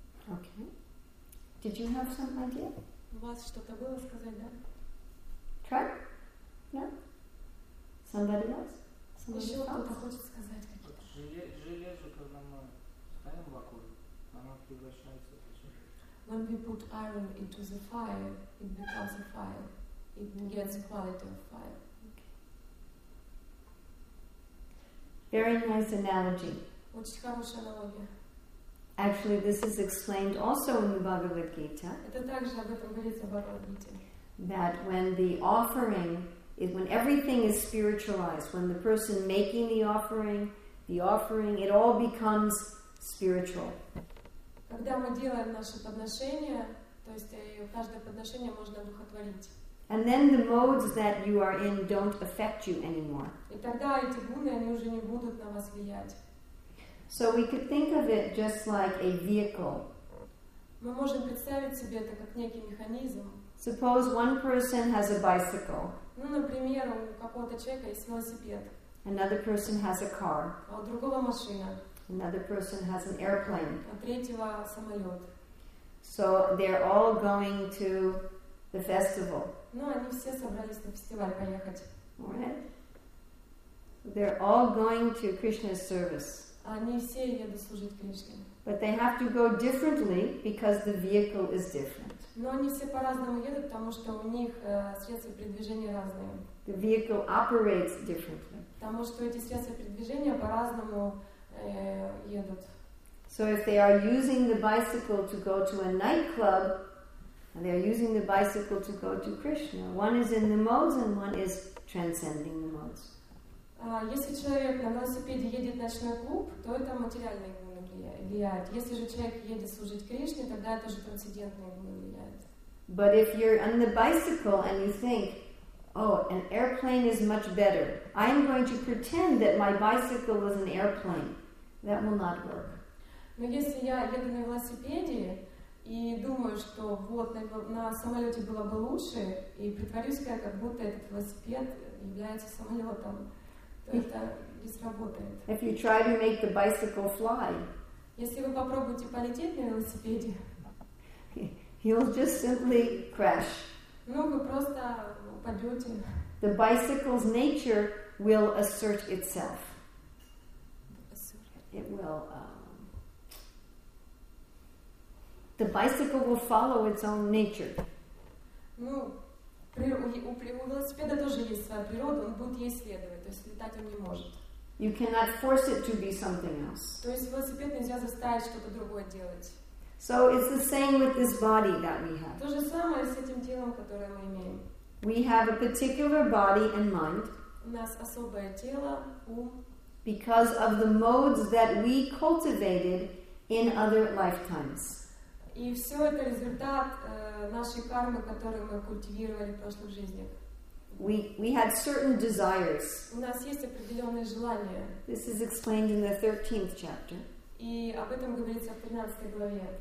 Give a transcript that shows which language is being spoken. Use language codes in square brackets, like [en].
[en] Okay. Did you have some idea? [ru] У вас что-то было сказать, да? [en] Try? No? Somebody else? [ru] Еще кто-то хочет сказать какие-то. Железо, когда мы ставим в огонь, оно превращается в железо. [en] When we put iron into the fire, it becomes a fire. It gets quality of fire. Okay. Very nice analogy. [ru] Очень хорошая аналогия. [en] Actually, this is explained also in the Bhagavad Gita. [ru] Это также об этом говорится в Бхагавад Гите. [en] That when the offering, when everything is spiritualized, when the person making the offering, it all becomes spiritual. [ru] Когда мы делаем наше подношение, то есть каждое подношение можно духотворить. [en] And then the modes that you are in don't affect you anymore. [ru] И тогда эти гуны, они уже не будут на вас влиять. [en] So we could think of it just like a vehicle. [ru] Мы можем представить себе это как некий механизм. [en] Suppose one person has a bicycle. [ru] Ну, например, у какого-то человека есть велосипед. [en] Another person has a car. [ru] А у другого машина. [en] Another person has an airplane. [ru] А третьего самолет. [en] So they're all going to the festival. [ru] Ну, они все собрались на фестиваль поехать. [en] Right? They're all going to Krishna's service. [ru] Они все едут служить Кришне. [en] But they have to go differently because the vehicle is different. [ru] Но они все по-разному едут, потому что у них средства передвижения разные. [en] The vehicle operates differently. [ru] Потому что эти средства передвижения по-разному едут. [en] So if they are using the bicycle to go to a nightclub, and they are using the bicycle to go to Krishna, one is in the modes and one is transcending the modes. [ru] Если человек на велосипеде едет в ночной клуб, то это материальные гуны влияют. Если же человек едет служить Кришне, тогда это уже трансцендентные гуны влияют. [en] But if you're on the bicycle and you think, Oh, an airplane is much better. I am going to pretend that my bicycle was an airplane. That will not work. [ru] Но если я еду на велосипеде и думаю, что вот на самолете было бы лучше, и притворюсь я, как будто этот велосипед является самолетом, то это не сработает. [en] If you try to make the bicycle fly, [ru] если вы попробуете полететь на велосипеде, [en] you'll just simply crash. [ru] Ну, вы просто упадете. [en] The bicycle's nature will assert itself. It will. The bicycle will follow its own nature. [ru] Ну, у велосипеда тоже есть своя природа, он будет ей следовать, то есть летать он не может. [en] You cannot force it to be something else. [ru] То есть велосипед нельзя заставить что-то другое делать. [en] So it's the same with this body that we have. [ru] То же самое с этим телом, которое мы имеем. [en] We have a particular body and mind. [ru] У нас особое тело, ум. [en] Because of the modes that we cultivated in other lifetimes. [ru] И все это результат нашей кармы, которую мы культивировали в прошлых жизнях. [en] We had certain desires. [ru] У нас есть определенные желания. [en] This is explained in the 13th chapter. [ru] И об этом говорится в 13 главе.